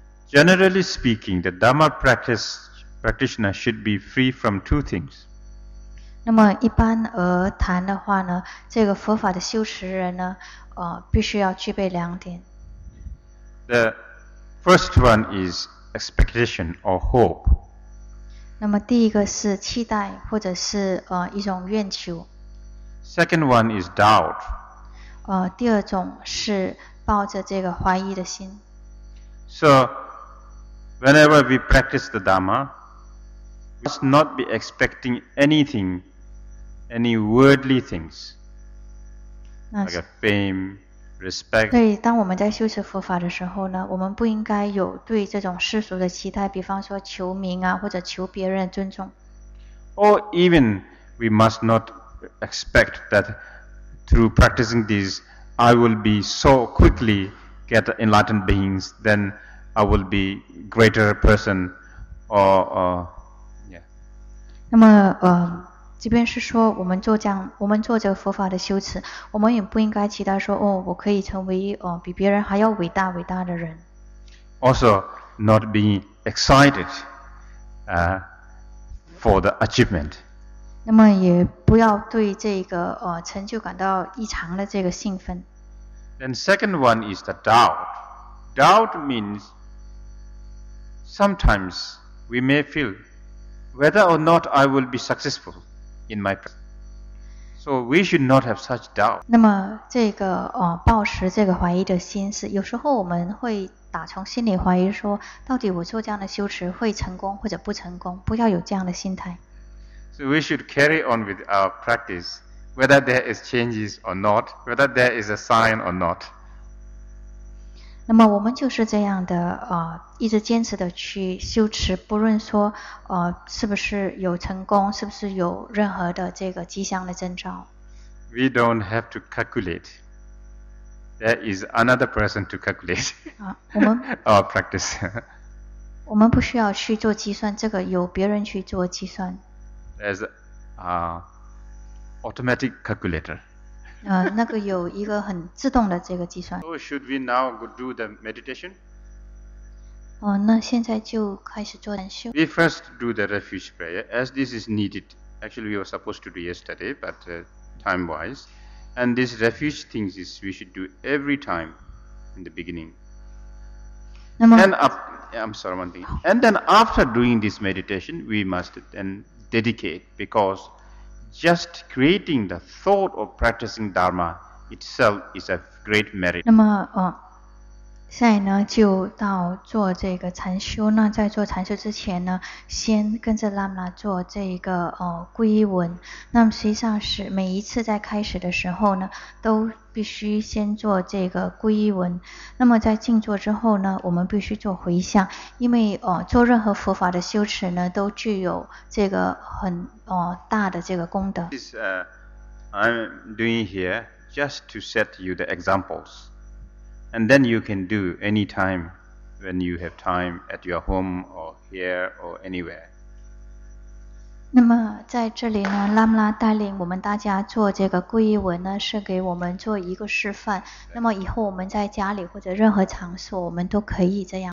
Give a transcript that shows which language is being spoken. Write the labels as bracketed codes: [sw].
[en] Generally speaking, the Dhamma practitioner should be free from two things. [zh] 那么一般而谈的话呢，这个佛法的修持人呢，必须要具备两点。 [en] The first one is expectation or hope. [zh] 那么第一个是期待或者是一种愿求。 [en] Second one is doubt. [zh] 第二种是抱着这个怀疑的心。 [en] So whenever we practice the Dhamma, we must not be expecting anything. Any worldly things, like a fame, respect. [zh] 所以，当我们在修持佛法的时候呢，我们不应该有对这种世俗的期待，比方说求名啊，或者求别人的尊重。 [en] Or even we must not expect that through practicing these, I will be so quickly get enlightened beings, then I will be greater person, or. [zh] 那么即便是说我们做这样，我们做这个佛法的修持，我们也不应该期待说，哦，我可以成为比别人还要伟大伟大的人。 [en] Also, not being excited, for the achievement. [zh] 那么也不要对这个成就感到异常的这个兴奋。 [en] Then second one is the doubt. Doubt means sometimes we may feel whether or not I will be successful. In my presence. So we should not have such doubt. [zh] 那么这个抱持这个怀疑的心思，有时候我们会打从心里怀疑说，到底我做这样的修持会成功或者不成功，不要有这样的心态。 [en] So we should carry on with our practice, whether there is changes or not, whether there is a sign or not. [zh] 那么我们就是这样的一直坚持的去修持，不论说是不是有成功，是不是有任何的这个迹象的征兆。 [en] We don't have to calculate. There is another person to calculate. [zh] 我们 [en] our practice. [zh] 我们不需要去做计算，这个由别人去做计算。 [en] There's a automatic calculator. [zh] 那个有一个很自动的这个计算。 [en] So should we now do the meditation? [zh] 那现在就开始做禅修。 [en] We first do the refuge prayer as this is needed. Actually, we were supposed to do yesterday, but time-wise. And this refuge thing is we should do every time in the beginning. [zh] 那么 [en] and I'm sorry, one thing. And then after doing this meditation, we must then dedicate because... Just creating the thought of practicing Dharma itself is a great merit. [zh] 那么现在呢就到做这个禅修，那在做禅修之前呢，先跟着喇嘛做这个皈依文。那么实际上是每一次在开始的时候呢，都必须先做这个皈依文。那么在静坐之后呢，我们必须做回向，因为做任何佛法的修持呢，都具有这个很大的这个功德。 [en] This is I'm doing here just to set you the examples. And then you can do any time when you have time at your home or here or anywhere. [zh] 那么在这里呢，拉姆拉带领我们大家做这个皈依文呢，是给我们做一个示范。那么以后我们在家里或者任何场所，我们都可以这样。